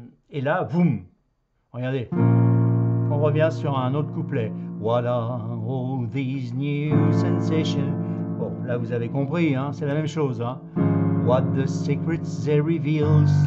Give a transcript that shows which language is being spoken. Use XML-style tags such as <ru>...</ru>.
<fr>Et là, boum, regardez. On revient sur un autre couplet.</fr> <en>What are all these new sensations?</en> <fr>Bon, là vous avez compris, hein, c'est la même chose. Hein.</fr> <en>What the secrets they reveal?</en>